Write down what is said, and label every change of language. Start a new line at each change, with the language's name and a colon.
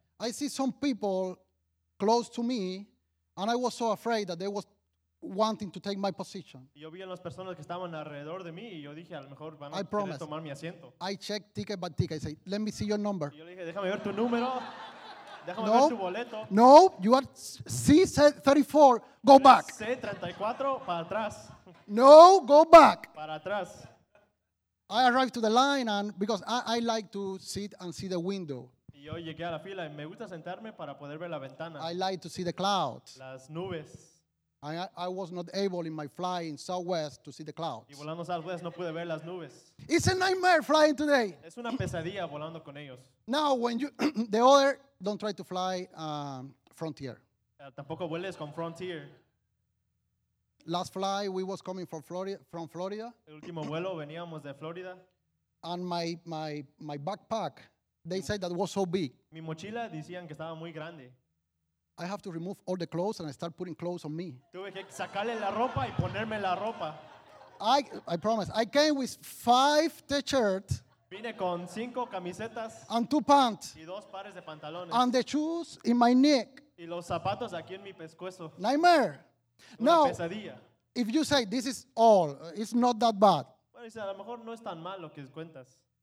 English: I see some people close to me, and I was so afraid that they was wanting to take my position.
Spanish: Yo vi a las personas que estaban alrededor de mí y yo dije, a lo mejor van a
English: I
Spanish: querer
English: promise.
Spanish: Tomar mi asiento.
English: I checked ticket by ticket. I said, let me see your number.
Spanish: Y yo le dije, déjame ver tu número. No, ver tu boleto.
English: No, you are C-34, go back.
Spanish: C-34, para atrás.
English: No, go back.
Spanish: Para atrás.
English: I arrived to the line and because I like to sit and see the window.
Spanish: Yo llegué a la fila y me gusta sentarme para poder ver la ventana.
English: I like to see the clouds.
Spanish: Las nubes.
English: I was not able in my flight in Southwest to see the clouds.
Spanish: Y volando Southwest no pude ver las nubes.
English: It's a nightmare flying today.
Spanish: Es una pesadilla volando con ellos.
English: Now when you, the other, don't try to fly Frontier.
Spanish: Tampoco vueles con Frontier.
English: Last flight we was coming from Florida.
Spanish: El último vuelo veníamos de Florida.
English: And my backpack, they said that was so big.
Spanish: Mi mochila decían que estaba muy grande.
English: I have to remove all the clothes and I start putting clothes on me.
Spanish: Tuve que sacarle la ropa y ponerme la ropa.
English: I promise. I came with 5 t-shirts.
Spanish: Vine con 5 camisetas.
English: And 2 pants.
Spanish: Y 2 pares de pantalones.
English: And the shoes in my neck.
Spanish: Y los zapatos aquí en mi pescuezo.
English: Nightmare.
Spanish: Una pesadilla.
English: If you say this is all, it's not that bad.
Spanish: Bueno, dice, a lo mejor no es tan mal lo que cuentas.